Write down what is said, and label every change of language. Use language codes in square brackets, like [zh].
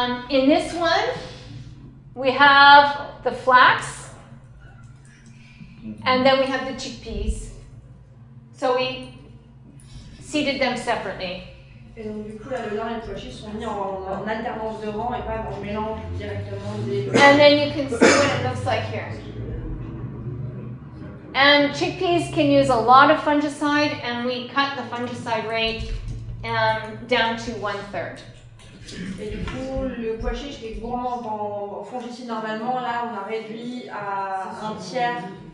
[en] In this one, we have the flax, and then we have the chickpeas. So we seeded them separately. [fr] Et donc du coup, là, le lin et le pois chiche sont mis en alternance de rang et pas en mélange directement des. [en] And then you can see what it looks like here. And chickpeas can use a lot of fungicide, and we cut the fungicide rate down to 1/3. [fr] Et du coup, le pois chiche qui est gourmand en fongicide normalement, là, on a réduit à un tiers